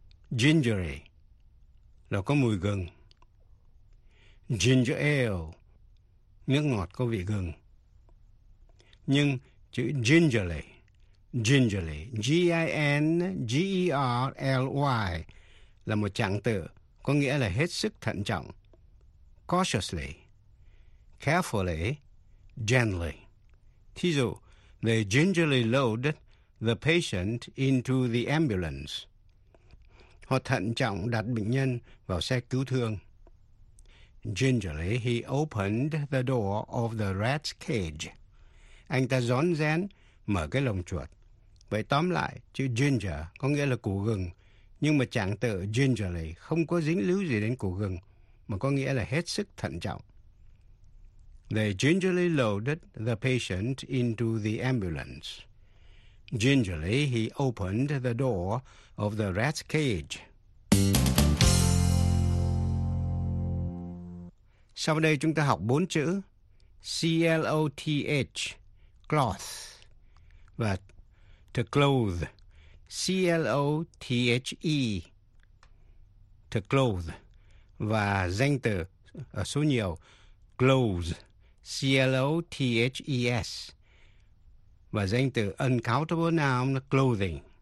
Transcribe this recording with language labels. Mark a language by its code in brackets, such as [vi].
[vi] Gingery, là có mùi gừng. Ginger ale, nước ngọt có vị gừng. Nhưng chữ gingerly, gingerly, G-I-N-G-E-R-L-Y, là một trạng từ có nghĩa là hết sức thận trọng. [en] Cautiously, carefully, gently. [vi] Thí dụ, [en] they gingerly loaded the patient into the ambulance. [vi] Họ thận trọng đặt bệnh nhân vào xe cứu thương. [en] Gingerly he opened the door of the rat's cage. [vi] Anh ta rón rén mở cái lồng chuột. Vậy tóm lại, chữ ginger có nghĩa là củ gừng, nhưng mà trạng từ gingerly không có dính líu gì đến củ gừng, mà có nghĩa là hết sức thận trọng. [en] They gingerly loaded the patient into the ambulance. Gingerly, he opened the door of the rat's cage. [vi] Sau đây chúng ta học bốn chữ C-L-O-T-H, cloth, và to clothe, C-L-O-T-H-E, to clothe, và danh từ số nhiều, clothes, C-L-O-T-H-E-S, và danh từ uncountable noun clothing.